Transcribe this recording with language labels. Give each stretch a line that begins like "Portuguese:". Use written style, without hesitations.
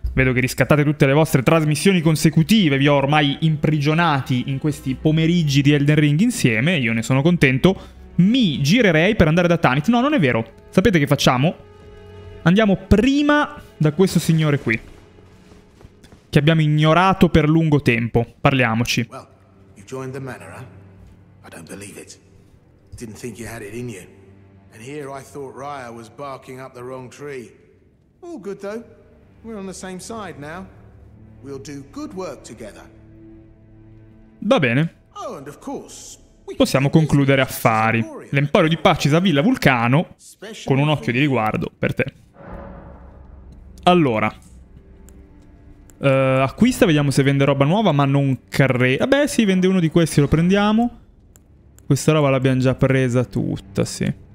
Italian: Vedo che riscattate tutte le vostre trasmissioni consecutive. Vi ho ormai imprigionati in questi pomeriggi di Elden Ring insieme. Io ne sono contento. Mi girerei per andare da Tanit. No, non è vero. Sapete che facciamo? Andiamo prima da questo signore qui, che abbiamo ignorato per lungo tempo. Parliamoci.
English: Well, you joined the manor, huh? I don't believe it. Didn't think you had it in you. And here I thought Raya was barking up the wrong tree. All good though. We're on the same side now. We'll do good work together.
Italian: Va bene.
English: Oh, and of course.
Italian: Possiamo concludere affari. L'Emporio di Pacis a Villa Vulcano, con un occhio di riguardo per te. Allora, acquista, vediamo se vende roba nuova, ma non credo. Vabbè, sì, vende uno di questi, lo prendiamo. Questa roba l'abbiamo già presa tutta, sì.